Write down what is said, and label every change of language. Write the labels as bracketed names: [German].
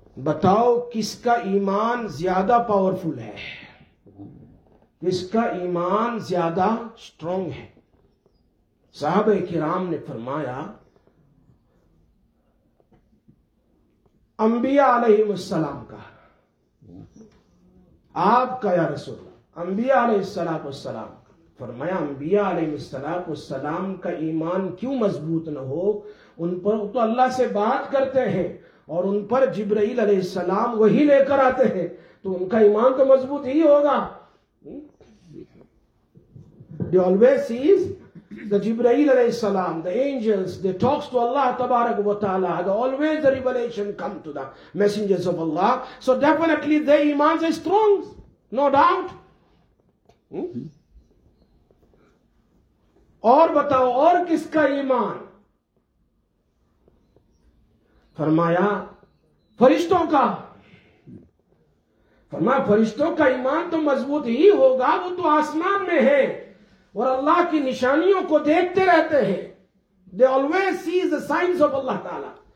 [Urdu] بتاؤ کس کا ایمان زیادہ پاورفل ہے، کس کا ایمان زیادہ سٹرونگ ہے؟ صحابہ کرام نے فرمایا انبیاء علیہ السلام کا، آپ کا یا رسول اللہ، انبیاء علیہ السلام و السلام کا. فرمایا انبیاء علیہ السلام و السلام کا ایمان کیوں مضبوط نہ ہو؟ ان پر تو اللہ سے بات کرتے ہیں اور ان پر جبرائیل علیہ السلام وہی لے کر آتے ہیں، تو ان کا ایمان تو مضبوط ہی ہوگا. [English] They always see the Jibreel alayhi salam, the angels, they talk to Allah tabarak wa ta'ala, always the revelation come to the messengers of Allah. So definitely their imans are strong, no doubt. [Urdu] Aur batao, aur kiska iman? Farmaya, farishton ka. فرمایا فرشتوں کا ایمان تو مضبوط ہی ہوگا، وہ تو آسمان میں ہے اور اللہ کی نشانیوں کو دیکھتے رہتے ہیں. [English] They always see the signs of Allah تعالی.